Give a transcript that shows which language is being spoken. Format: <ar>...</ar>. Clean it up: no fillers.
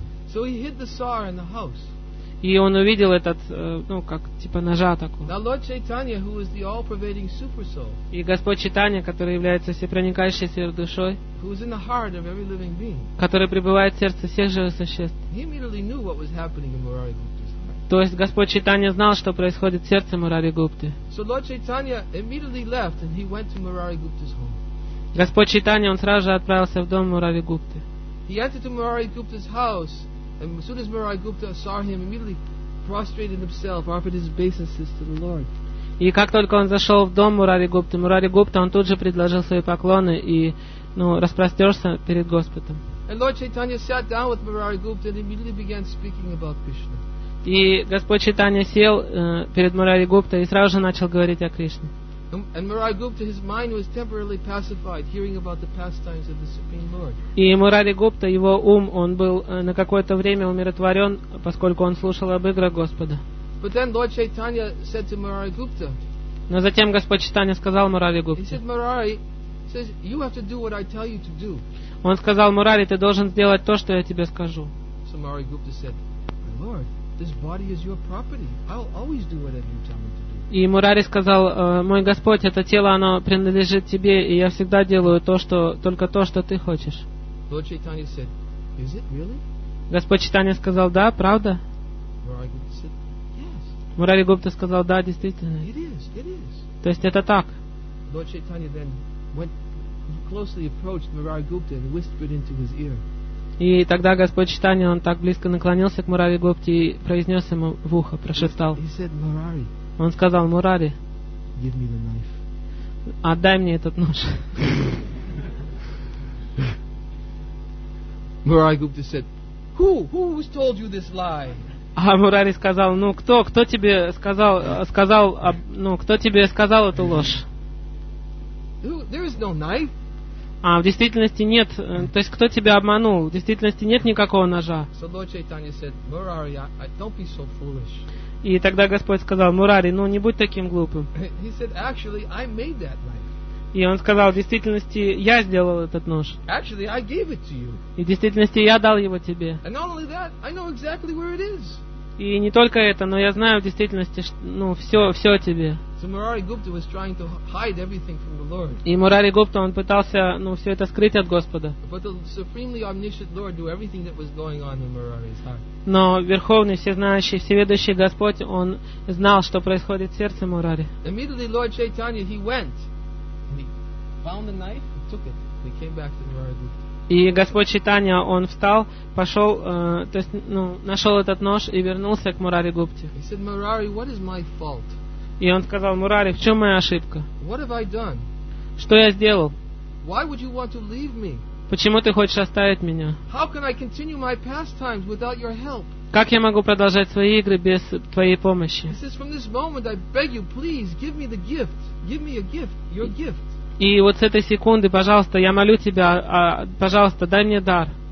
<en>So he hid the saw in the house.</en> <ru>И он увидел этот, ну, как, типа, ножа такой.</ru> <en>Now, Lord Chaitanya, who is the all-pervading super soul,</en> <ru>и Господь Чайтанья, который является всепроникающей сверхдушой,</ru> <en>who is in the heart of every living being,</en> <ru>который пребывает в сердце всех живых существ.</ru> <en>He immediately knew what was happening in Murari Gupta's heart.</en> <ru>То есть Господь Чайтанья знал, что происходит в сердце Мурари Гупты.</ru> <en>So Lord Chaitanya immediately left and he went to Murari Gupta's home.</en> <ru>Господь Чайтанья, он сразу же отправился в дом Мурари Гупты.</ru> <en>He entered to Murari Gupta's house. And as soon as Murari Gupta saw him, immediately prostrated himself, offered his obeisances to the Lord.</en> <ru>И как только он зашел в дом Мурари Гупты, Мурари Гупта, он тут же предложил свои поклоны и, ну, распростерся перед Господом.</ru> <en>And Lord Chaitanya sat down with Murari Gupta and immediately began speaking about Krishna.</en> <ru>И Господь Чайтанья сел перед Мурари Гупта и сразу же начал говорить о Кришне.</ru> <en>And Murari Gupta, his mind was temporarily pacified, hearing about the pastimes of the Supreme Lord.</en> <ru>И Мурари Гупта, его ум, он был на какое-то время умиротворен, поскольку он слушал об играх Господа.</ru> <en>But then Lord Chaitanya said to Murari Gupta.</en> <ru>Но затем Господь Чайтанья сказал Мурари Гупте.</ru> <en>He said, Murari, says you have to do what I tell you to do.</en> <ru>Он сказал Мурари, ты должен сделать то, что я тебе скажу.</ru> <en>So Murari Gupta said, my Lord, this body is your property. I will always do whatever you tell me to do.</en> <ru>И Мурари сказал, мой Господь, это тело, оно принадлежит тебе, и я всегда делаю только то, что ты хочешь.</ru> <en>Lord Chaitanya said, is it really?</en> <ru>Господь Чайтанья сказал, да, правда?</ru> <en>Murari Gupta said, yes.</en> <ru>Мурари Гупта сказал, да, действительно.</ru> <en>It is.</en> <ru>То есть это так.</ru> <en>Lord Chaitanya then went closely approached Murari Gupta and whispered into his ear.</en> <ru>И тогда Господь Чайтанья, он так близко наклонился к Мурари Гупте и произнес ему в ухо, прошептал.</ru> <en>He said, Murari.</en> <ru>Он сказал, Мурари,</ru> <en>give me the knife.</en> <ru>Отдай мне этот нож.</ru> <en>Murari Gupta said, who's told you this lie?</en> <ru>А Мурари сказал, ну кто тебе сказал, ну кто тебе сказал эту ложь?</ru> <en>There is no knife.</en> <ru>А в действительности нет, то есть кто тебя обманул? В действительности нет никакого ножа.</ru> <en>So Lord Chaitanya said, Murari, don't be so foolish.</en> <ru>И тогда Господь сказал, Мурари, ну не будь таким глупым.</ru> <en>He said, actually, I made that knife.</en> <ru>И он сказал, в действительности, я сделал этот нож.</ru> <en>Actually, I gave it to you.</en> <ru>И в действительности, я дал его тебе.</ru> <en>And not only that, I know exactly where it is.</en> <ru>И не только это, но я знаю в действительности, ну, все о тебе.</ru> <en>So Murari Gupta was trying to hide everything from the Lord.</en> <ru>И Мурари Гупта, он пытался, ну, все это скрыть от Господа.</ru> <en>But the supremely omniscient Lord knew everything that was going on in Murari's heart.</en> <ru>Но Верховный, Всезнающий, Всеведущий Господь, он знал, что происходит в сердце Мурари.</ru> <en>Immediately Lord Chaitanya, he went. And he found the knife, he took it, and he came back to Murari Gupta.</en> <ru>И Господь Чайтанья, он встал, пошел, то есть, ну, нашел этот нож и вернулся к Мурари Гупте.</ru> <en>He said, Murari, what is my fault?</en> <ru>И он сказал, Мурари, в чем моя ошибка?</ru> <en>What have I done?</en> <ru>Что я сделал?</ru> <en>Why would you want to leave me?</en> <ru>Почему ты хочешь оставить меня?</ru> <en>How can I continue my pastimes without your help?</en> <ru>Как я могу продолжать свои игры без твоей помощи?</ru> <en>He says, from this moment, I beg you, please, give me the gift. Give me a gift, your gift.</en> <ru>И вот с этой секунды, пожалуйста, я молю тебя, пожалуйста, дай мне дар.</ru>